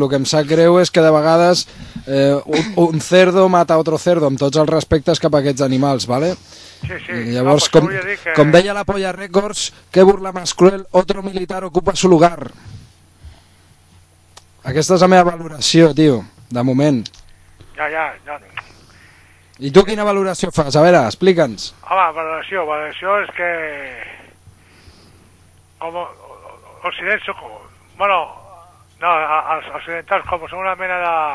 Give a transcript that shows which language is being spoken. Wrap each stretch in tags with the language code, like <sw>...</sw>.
<ca>Lo que em sap greu és que de vegades</ca> <es>un cerdo mata otro cerdo,</es> <ca>amb tots els respectes cap a aquests animals, ¿vale? Sí, sí. Llavors, no, com deia la Polla Records,</ca> <es>que burla más cruel, otro militar ocupa su lugar.</es> <ca>Aquesta és la meva valoració, tio, de moment. Ja. I tu quina valoració fas? A veure, explica'ns. Home, valoració és que... Com occidents, bueno, no, els occidentals com són una mena de...</ca>